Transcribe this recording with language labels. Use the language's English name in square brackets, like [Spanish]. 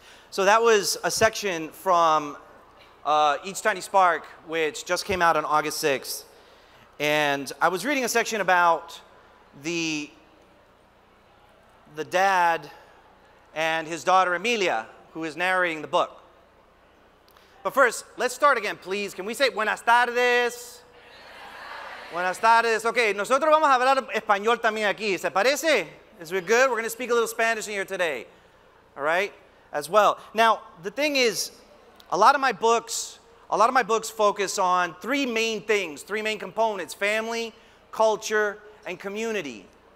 [English] So that was a section from Each Tiny Spark, which just came out on August 6th. And I was reading a section about the dad and his daughter, Emilia, who is narrating the book. But first, let's start again, please. [Spanish] Can we say buenas tardes? Buenas tardes. Okay, nosotros vamos a hablar español también aquí. [English] ¿Se parece? Is we good? We're going to speak a little Spanish in here today, all right, as well. Now, the thing is, a lot of my books focus on three main things, three main components: family, culture, and community.